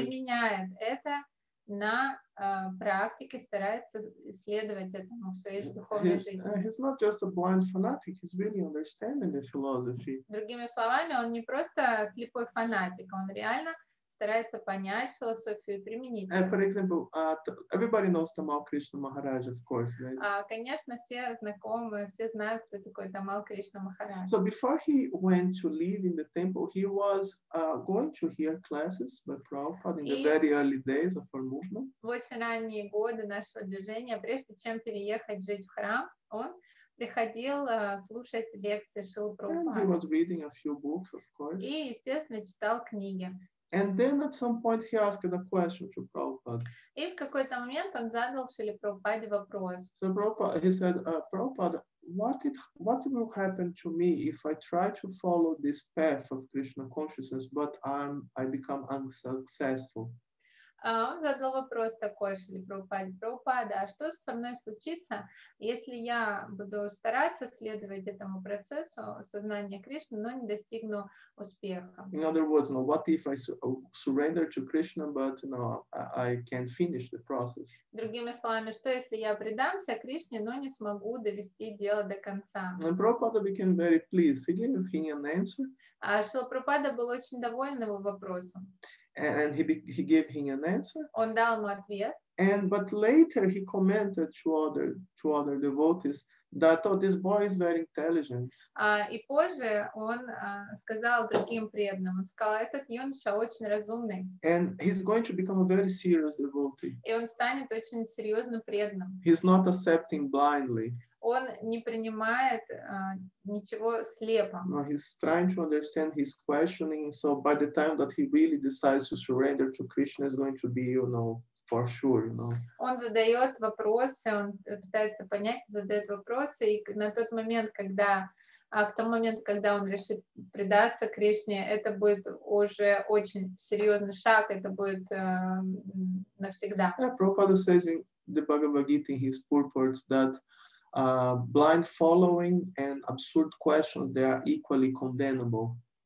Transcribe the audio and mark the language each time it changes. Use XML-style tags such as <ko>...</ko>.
<ru>И применяет это на практике, старается следовать этому в своей духовной жизни.</ru> <en>He's not just a blind fanatic, he's really understanding the philosophy.</en> <ru>Другими словами, он не просто слепой фанатик, он реально старается понять философию и применить ее.</ru> <en>And for example, everybody knows Tamal Krishna Maharaj, of course, right?</en> <ru>Конечно, все знакомы, все знают, кто такой Tamal Krishna Maharaj.</ru> <en>So before he went to live in the temple, he was going to hear classes by Prabhupada in the very early days of our movement.</en> <ru>В очень ранние годы нашего движения, прежде чем переехать жить в храм, он приходил слушать лекции Шрилы Прабхупады.</ru> <en>And he was reading a few books, of course.</en> <ru>И, естественно, читал книги.</ru> <en>And then at some point he asked a question to Prabhupada.</en> <ru>И в какой-то момент он задал Шриле Прабхупаде вопрос.</ru> <en>So Prabhupada, he said, Prabhupada, what will happen to me if I try to follow this path of Krishna consciousness, but I become unsuccessful?</en> <ru>Он задал вопрос такой Шриле Прабхупаде. Прабхупада, а что со мной случится, если я буду стараться следовать этому процессу сознания Кришны, но не достигну успеха?</ru> <en>In other words, no, what if I surrender to Krishna, but you know, I can't finish the process?</en> <ru>Другими словами, что если я предамся Кришне, но не смогу довести дело до конца?</ru> <en>And Prabhupada became very pleased. He gave him an answer.</en> <ru>А Шрила Прабхупада был очень доволен его вопросом.</ru> <en>And he gave him an answer.</en> <ru>Он дал ему ответ.</ru> <en>And but later he commented to other devotees that, oh, this boy is very intelligent.</en> <ru>И позже он сказал другим преданным, он сказал, этот юноша очень разумный.</ru> <en>And he's going to become a very serious devotee.</en> <ru>И он станет очень серьезным преданным.</ru> <en>He's not accepting blindly.</en> <ru>Он не принимает ничего слепо.</ru> <en>No, he's trying to understand, he's questioning, so by the time that he really decides to surrender to Krishna, it's going to be, you know, for sure, you know.</en> <ru>Он задает вопросы, он пытается понять, задает вопросы, и на тот момент, когда к тому моменту, когда он решит предаться Кришне, это будет уже очень серьезный шаг, это будет навсегда.</ru> <en>Yeah, Prabhupada says in the Bhagavad Gita, in his purport, that blind following and absurd questions, they are equally condemnable.</en>